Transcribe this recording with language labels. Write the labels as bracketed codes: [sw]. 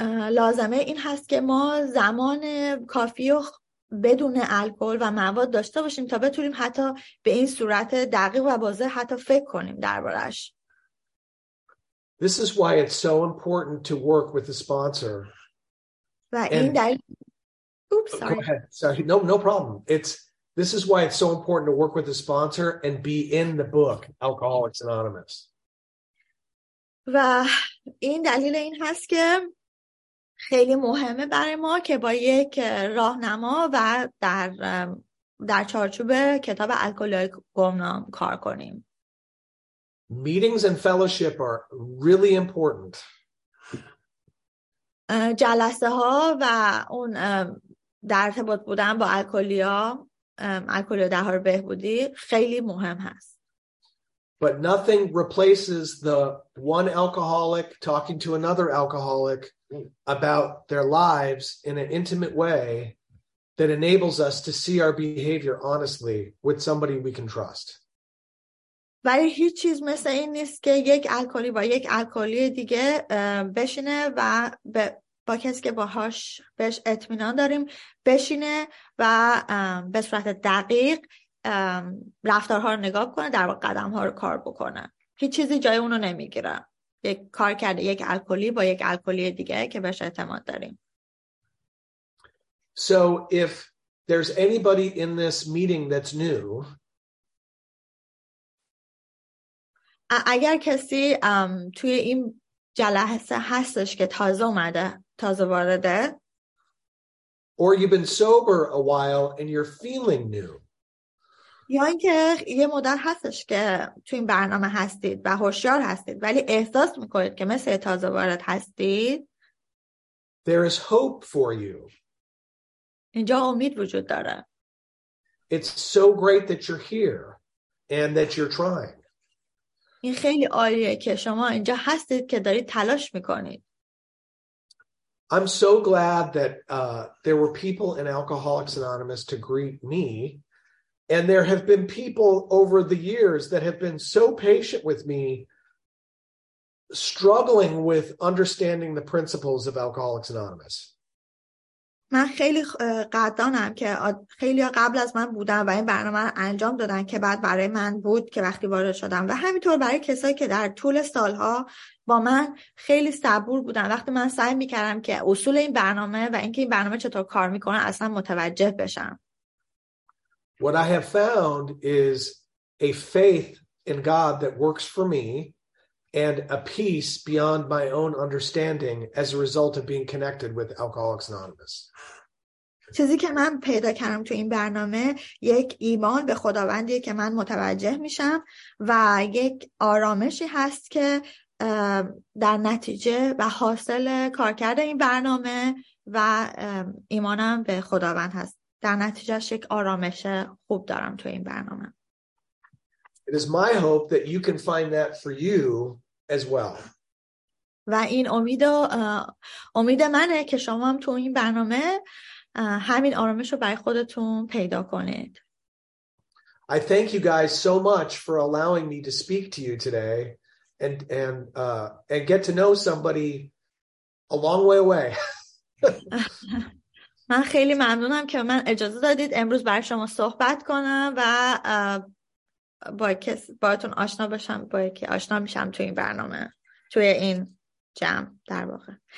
[fa] لازمه این هست که ما زمان کافی و بدون الکل و مواد داشته باشیم تا بتونیم حتی به این صورت دقیق و واضح حتی فکر کنیم دربارش. [en] This is why it's so important to work with the sponsor. [fa] و این [en] Sorry, no problem. This is why it's so important to work with the sponsor and be in the book Alcoholics Anonymous. [fa] و این دلیل این هست که خیلی مهمه برای ما که با یک راهنما و در چارچوب کتاب الکلی گمنام کار کنیم. [en] Meetings and fellowship are really important. [fa] جلسه ها و اون در ارتباط بودن با الکلی ها، الکلی ها دهار بهبودی خیلی مهم هست. [en] But nothing replaces the one alcoholic talking to another alcoholic about their lives in an intimate way that enables us to see our behavior honestly with somebody we can trust. [fa] ولی هیچ چیز مثل این نیست که یک الکلی با یک الکلی دیگه بشینه و با کسی که باهاش بهش اطمینان داریم بشینه و به صورت دقیق رفتارها رو نگاه کنه، در واقع قدمها رو کار بکنه. هیچ چیزی جای اونو نمیگیره. یک کار کرده یک الکلی با یک الکلی دیگه که بهش اعتماد داریم. [en] So if there's anybody in this meeting that's new, [fa] اگر کسی توی این جلسه هستش که تازه اومده، تازه وارده، [en] or you've been sober a while and you're feeling new, [fa] یا اینکه یه مدت هستش که تو این برنامه هستید و هوشیار هستید ولی احساس میکنید که مثل تازه وارد هستید، [en] There is hope for you. [fa] اینجا امید وجود داره. [en] It's so great that you're here and that you're trying. [fa] این خیلی عالیه که شما اینجا هستید که دارید تلاش میکنید. [en] I'm so glad that there were people in Alcoholics Anonymous to greet me. And there have been people over the years that have been so patient with me, struggling with understanding the principles of Alcoholics Anonymous. [fa] من خیلی قدردانم که خیلی قبل از من بودن و این برنامه رو انجام دادن که بعد برای من بود که وقتی وارد شدم و همینطور برای کسایی که در طول سالها با من خیلی صبور بودن وقتی من سعی میکردم که اصول این برنامه و اینکه این برنامه چطور کار میکنه اصلا متوجه بشم. [en] What I have found is a faith in God that works for me and a peace beyond my own understanding as a result of being connected with Alcoholics Anonymous. [fa] چیزی که من پیدا کردم تو این برنامه یک ایمان به خداوندیه که من متوجه میشم و یک آرامشی هست که در نتیجه و حاصل کارکرد این برنامه و ایمانم به خداوند هست. در نتیجهش یک آرامش خوب دارم تو این برنامه. [en] It is my hope that you can find that for you as well. [fa] و این امید منه که شما هم تو این برنامه همین آرامش رو برای خودتون پیدا کنید. [en] I thank you guys so much for allowing me to speak to you today and get to know somebody a long way away. [fa] من خیلی ممنونم که من اجازه دادید امروز برای شما صحبت کنم و باهاتون آشنا بشم با یکی آشنا میشم توی این برنامه توی این جمع در واقع.